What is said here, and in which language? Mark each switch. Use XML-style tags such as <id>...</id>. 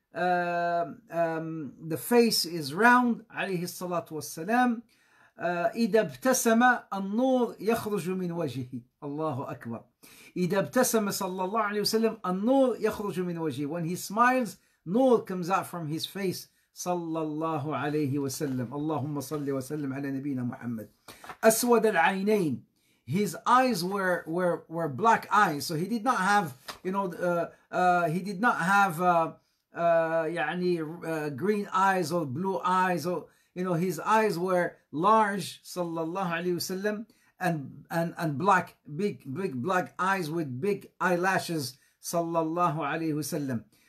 <en>the face is round</en> <ar>عليه الصلاة والسلام. إذا ابتسم النور يخرج من وجهه. الله أكبر. إذا ابتسم صلى الله عليه وسلم النور يخرج من وجهه.</ar> <en>When he smiles, نور comes out from his face.</en> <ar>صلى الله عليه وسلم. اللهم صل وسلم على نبينا محمد. أسود العينين.</ar> <en>His eyes were black eyes. So he did not have, you know, he did not have يعني green eyes or blue eyes or, you know, his eyes were large,</en> <ar>sallallahu alayhi wasallam,</ar> <en>and black, big black eyes with big eyelashes, sallallahu alayhi wasallam.</en>